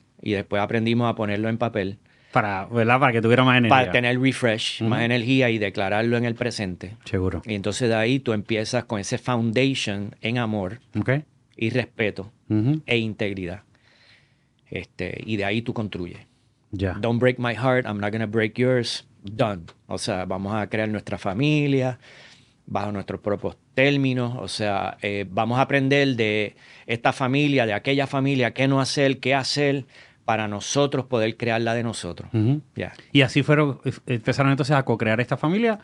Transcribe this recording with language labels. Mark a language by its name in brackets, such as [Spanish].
[Spanish] Y después aprendimos a ponerlo en papel... Para, ¿verdad? Para que tuviera más energía. Para tener refresh, uh-huh. más energía y declararlo en el presente. Seguro. Y entonces de ahí tú empiezas con ese foundation en amor okay. y respeto uh-huh. e integridad. Y de ahí tú construyes. Yeah. [English] Don't break my heart, I'm not going to break yours. Done. [Spanish] O sea, vamos a crear nuestra familia bajo nuestros propios términos. O sea, vamos a aprender de esta familia, de aquella familia, qué no hacer, qué hacer. Para nosotros poder crear la de nosotros. Uh-huh. Yeah. Y así fueron, empezaron entonces a co-crear esta familia.